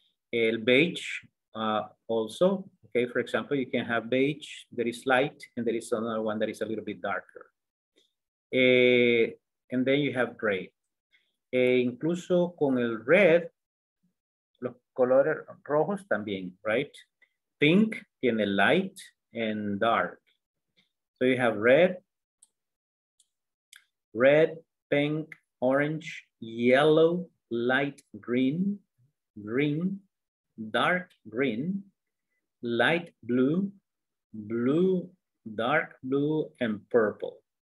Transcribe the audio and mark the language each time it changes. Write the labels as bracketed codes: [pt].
[en] El beige also, okay, for example, you can have beige that is light and there is another one that is a little bit darker. And then you have gray. [es] Incluso con el red, los colores rojos también, [en] right? Pink [es] tiene [en] light and dark. So you have red, pink, orange, yellow, light green, dark green, light blue, dark blue, and purple.